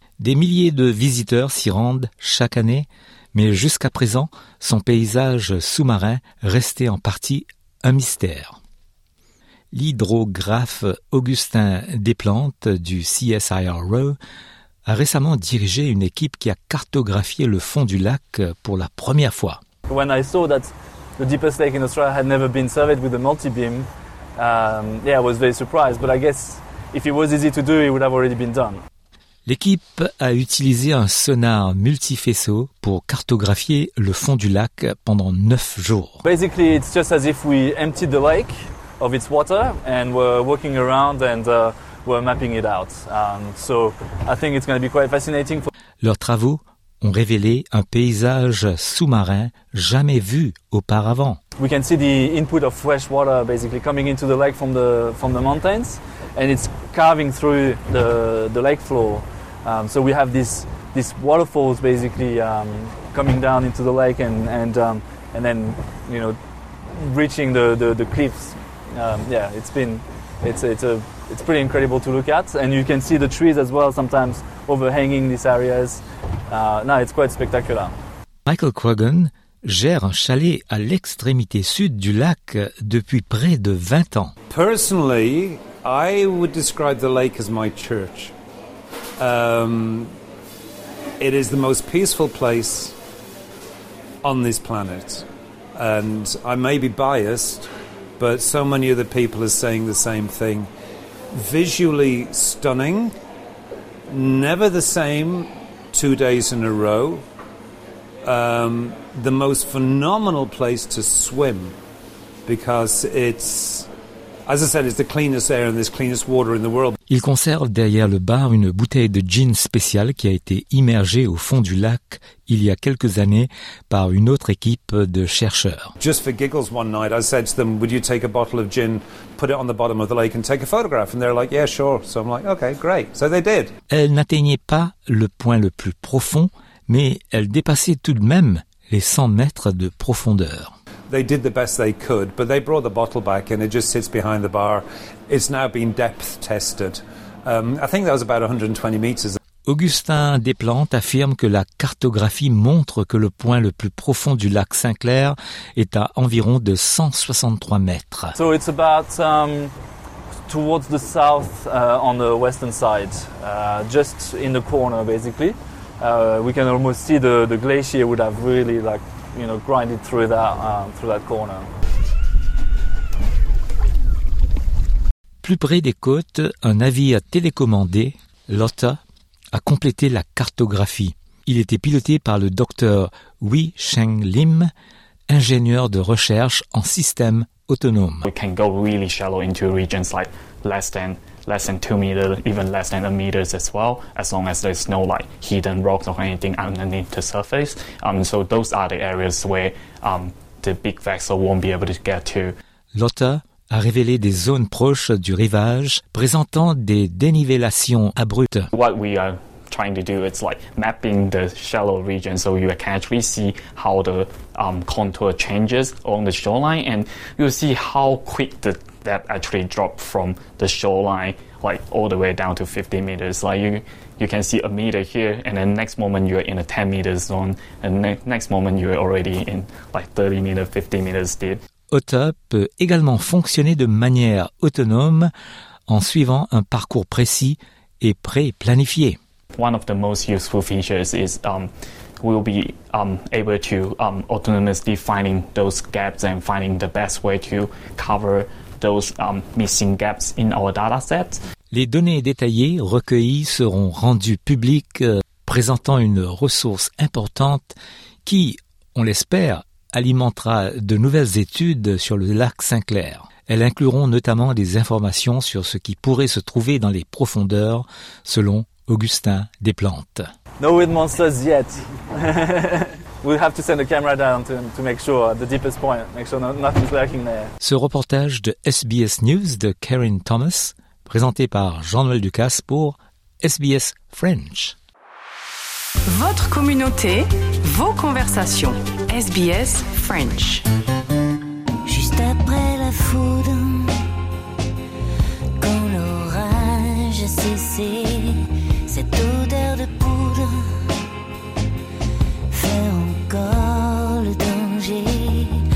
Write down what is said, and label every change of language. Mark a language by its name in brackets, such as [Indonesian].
[French] Des milliers de visiteurs s'y rendent chaque année, mais jusqu'à présent, son paysage sous-marin restait en partie un mystère. L'hydrographe Augustin Desplantes du CSIRO a récemment dirigé une équipe qui a cartographié le fond du lac pour la première fois. [English] When I saw that the deepest lake in Australia had never been surveyed with a multi-beam, I was very surprised, but I guess if it was easy to do, it would have already been done. [French] L'équipe a utilisé un sonar multifaisceau pour cartographier le fond du lac pendant 9 jours. [English] Basically, it's just as if we emptied the lake of its water and were walking around and were mapping it out. So I think it's going to be quite fascinating. [French] Leurs travaux ont révélé un paysage sous-marin jamais vu auparavant. [English] We can see the input of fresh water basically coming into the lake from the mountains. And it's carving through the lake floor. So we have this waterfalls basically coming down into the lake and then, you know, reaching the cliffs. It's pretty incredible to look at. And you can see the trees as well sometimes overhanging these areas. It's quite spectacular. [French] Michael Quaggan gère un chalet à l'extrémité sud du lac depuis près de 20 ans. [English] Personally, I would describe the lake as my church. It is the most peaceful place on this planet. And I may be biased, but so many other people are saying the same thing. Visually stunning, never the same 2 days in a row. The most phenomenal place to swim because it's, as I said, it's the cleanest air and this cleanest water in the world. [French] Il conserve derrière le bar une bouteille de gin spéciale qui a été immergée au fond du lac il y a quelques années par une autre équipe de chercheurs. [English] Just for giggles one night, I said to them, would you take a bottle of gin, put it on the bottom of the lake and take a photograph? And they're like, yeah, sure. So I'm like, okay, great. So they did. [French] Elle n'atteignait pas le point le plus profond, mais elle dépassait tout de même les 100 mètres de profondeur. [English] They did the best they could, but they brought the bottle back and it just sits behind the bar. It's now been depth tested. I think that was about 120 meters. [French] Augustin Desplantes affirme que la cartographie montre que le point le plus profond du lac Saint-Clair est à environ de 163 mètres. [English] So it's about towards the south on the western side, just in the corner basically. We can almost see the glacier would have really like, you know, grinded through that corner. [French] Plus près des côtes, un navire télécommandé, Lotta, a complété la cartographie. Il était piloté par le docteur Wei Sheng Lim, ingénieur de recherche en système autonome. [English] We can go really shallow into regions like less than 2 meters, even less than a meter as well, as long as there's no like hidden rocks or anything underneath the surface. So those are the areas where the big vessel won't be able to get to. [French] Lotta a révélé des zones proches du rivage présentant des dénivellations abruptes. [English] What we are trying to do is like mapping the shallow region so you can actually see how the contour changes on the shoreline, and you'll see how quick the depth actually drop from the shoreline like all the way down to 50 meters. Like you can see a meter here, and then next moment you're in a 10 meter zone, and next moment you're already in like 30 meters, 50 meters deep. [French] OTA peut également fonctionner de manière autonome en suivant un parcours précis et pré-planifié. [English] One of the most useful features is we'll be able to autonomously finding those gaps and finding the best way to cover those missing gaps in our data set. [French] Les données détaillées recueillies seront rendues publiques, présentant une ressource importante qui, on l'espère, alimentera de nouvelles études sur le lac Saint-Clair. Elles incluront notamment des informations sur ce qui pourrait se trouver dans les profondeurs, selon Augustin Desplantes. [English] No wind monsters yet. We'll have to send a camera down to make sure the deepest point, make sure nothing's lurking there. [French] Ce reportage de SBS News de Karen Thomas, présenté par Jean-Noël Ducasse pour SBS French. Votre communauté, vos conversations. SBS French. Juste après la foudre, quand l'orage a cessé, cette odeur de poudre fait encore le danger.